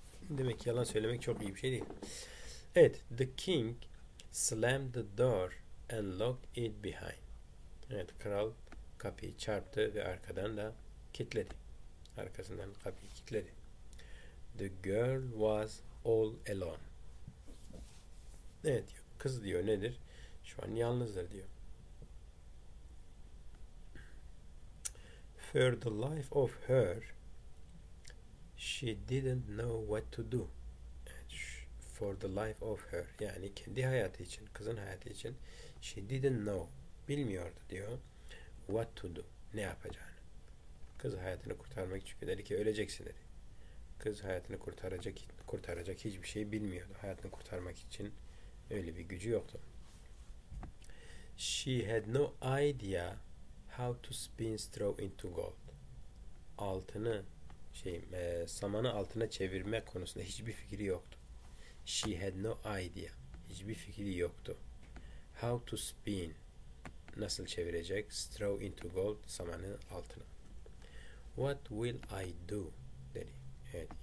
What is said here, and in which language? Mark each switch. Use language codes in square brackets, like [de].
[tr] Demek ki yalan söylemek çok iyi bir şey değil. Evet, [en] the king slammed the door and locked it behind. [tr] Evet, kral kapıyı çarptı ve arkadan da kilitledi. Arkasından kapıyı kilitledi. [en] The girl was all alone. [tr] Evet diyor. Kız diyor nedir? Şu an yalnızdır diyor. [en] For the life of her, she didn't know what to do. For the life of her, [tr] yani kendi hayatı için, kızın hayatı için, [en] she didn't know, [tr] bilmiyordu diyor. [en] What to do? [tr] Ne yapacağını. Kız hayatını kurtarmak için dedi ki öleceksin dedi. Kız hayatını kurtaracak hiçbir şey bilmiyordu. Hayatını kurtarmak için öyle bir gücü yoktu. [en] She had no idea how to spin straw into gold. [tr] Altını şey samanı altına çevirme konusunda hiçbir fikri yoktu. [en] She had no idea. [tr] Hiçbir fikri yoktu. [en] How to spin, [tr] nasıl çevirecek? [en] Straw into gold, [tr] samanın altına. [en] What will I do? [tr] Dedi. Evet.